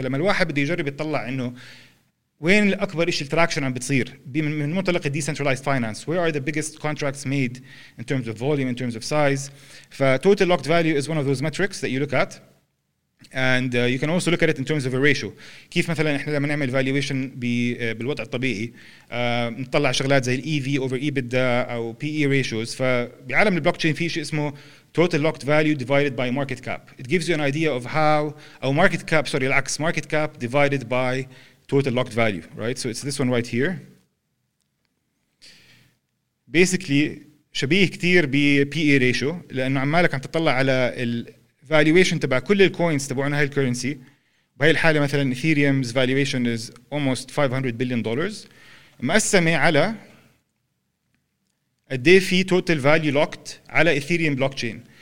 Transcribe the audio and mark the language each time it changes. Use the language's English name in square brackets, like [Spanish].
[Arabic] فلما الواحد بده يجرب يطلع إنه وين الأكبر إشي التراكشن عم بتصير من منطلق [English] decentralized finance, where are the biggest contracts made in terms of volume, in terms of size. Total locked value is one of those metrics that you look at, and you can also look at it in terms of a ratio. [Arabic] كيف مثلا إحنا لما نعمل valuation بالوضع الطبيعي نطلع شغلات زي EV over EBITDA أو PE ratios. فبعالم البلوكتشين في إشي اسمه [English] total locked value divided by market cap. It gives you an idea of how market cap divided by total locked value, right? So it's this one right here. [Arabic] Basically, شبيه كتير بPE ratio, لأنه عمالك عم تطلع على الvaluation تبع كل الكوينز تبعون هاي الكورنسي. بهاي الحالة مثلا [English] Ethereum's valuation is almost $500 billion. [Arabic] مقسمة على قدي في total value locked على Ethereum blockchain.